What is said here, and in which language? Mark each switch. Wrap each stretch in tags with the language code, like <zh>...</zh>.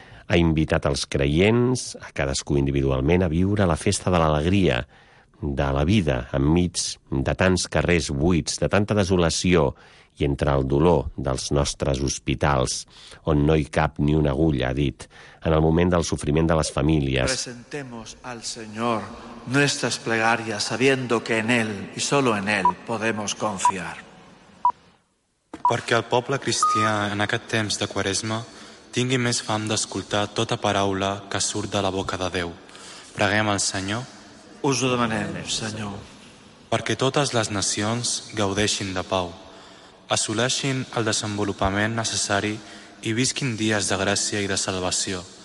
<ca>ha invitat els creients, a cadascú individualment, a viure la festa de l'alegria, de la vida, enmig de tants carrers buits, de tanta desolació i entre el dolor dels nostres hospitals, on no hi cap ni una agulla, ha dit, en el moment del sofriment de les famílies.</ca> <es>Presentemos al Señor nuestras plegarias, sabiendo que en Él y solo en Él podemos confiar.</es> <ca>Perquè el poble cristià en aquest temps de Quaresma tingui més fam d'escoltar tota paraula que surt de la boca de Déu. Preguem al Senyor. Us ho demanem, Senyor. Perquè totes les nacions gaudeixin de pau, assoleixin el desenvolupament necessari i visquin dies de gràcia i de salvació.</ca>